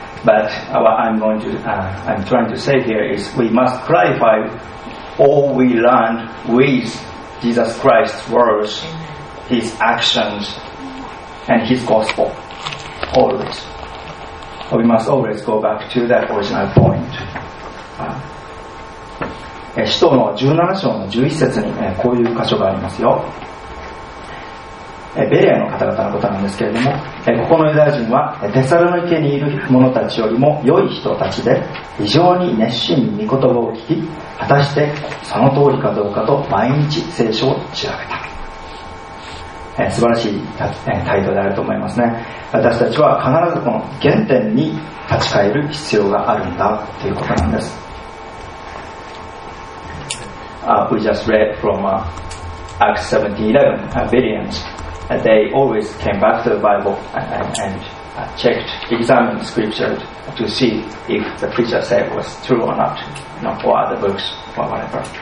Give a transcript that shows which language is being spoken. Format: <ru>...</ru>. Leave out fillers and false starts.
<en>But what I'm trying to say here is we must clarify all we learned with Jesus Christ's words, his actions, and his gospel. Always. We must always go back to that original point.</en> <ja>使徒の17章の11節にこういう箇所がありますよ。ベレアの方々のことなんですけれども、ここのユダヤ人はテサロニケにいる者たちよりも良い人たちで、非常に熱心に御言葉を聞き、果たしてその通りかどうかと毎日聖書を調べた。素晴らしい態度であると思いますね。私たちは必ずこの原点に立ち返る必要があるんだということなんです。</ja> <en>We just read from Acts 17:11, Bereans, they always came back to the Bible and examined scripture to see if the preacher said was true or not, you know, or other books or whatever.</en>